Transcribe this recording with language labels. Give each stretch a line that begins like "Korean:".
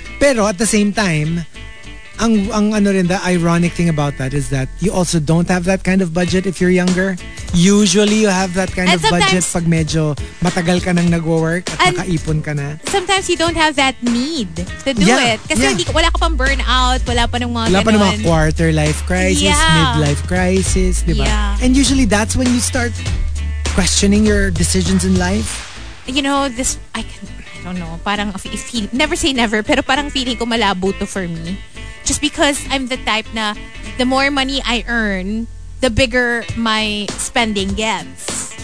English: Pero at the same time,
Filipino: ang ano rin,
English: the ironic thing about that is that you also don't have that kind of budget if you're younger. Usually, you have that kind and
Filipino: of budget pag medyo matagal ka nang nag-work at nakaipon ka na.
English: Sometimes, you don't have that need to do it.
Filipino: Kasi wala ka pang burnout, wala pa ng mga wala ganun. Wala pa ng mga quarter life crisis, midlife crisis, di ba?
English: Yeah. And usually, that's when you start questioning your decisions in life. You know, this, I don't know,
Filipino: parang feel, never say never, pero parang feeling ko malabo to for me.
English: Just because I'm the type na the more money I earn, the bigger my spending gets.